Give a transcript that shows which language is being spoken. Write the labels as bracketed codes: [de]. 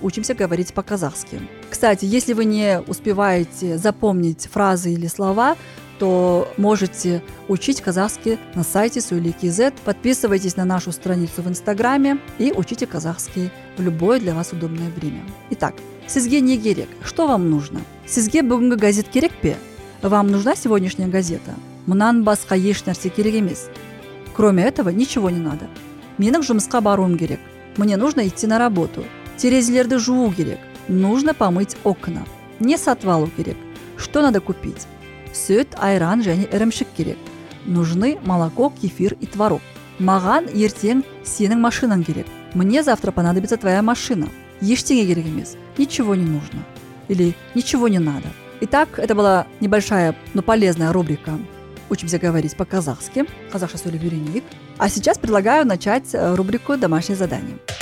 [ru] Учимся говорить по-казахски. Кстати, если вы не успеваете запомнить фразы или слова, то можете учить казахский на сайте «Сөйле.кз». Подписывайтесь на нашу страницу в Инстаграме и учите казахский в любое для вас удобное время. [kk] Итак, сізге не керек? [ru] Что вам нужно? [kk] Сізге бүгінгі газет керек пе? [ru] Вам нужна сегодняшняя газета? [kk] Мұнан басқа еш нәрсе керек емес. [ru] Кроме этого, ничего не надо. [kk] Менің жұмысқа баруым керек. [ru] Мне нужно идти на работу. [kk] Терезелерді жуу керек. [ru] Нужно помыть окна. [kk] Не сатып алу керек. [ru] Что надо купить? [kk] Сүт, айран және ірімшік керек. [ru] Нужны молоко, кефир и творог. [kk] Маған ертең сенің машинаң керек. [ru] Мне завтра понадобится твоя машина. [kk] Ештеңе керек емес. [ru] Ничего не нужно. Или ничего не надо. Итак, это была небольшая, но полезная рубрика «Учимся говорить по-казахски». [kk] Казахша сөйлебюренек. [ru] А сейчас предлагаю начать рубрику «Домашнее задание».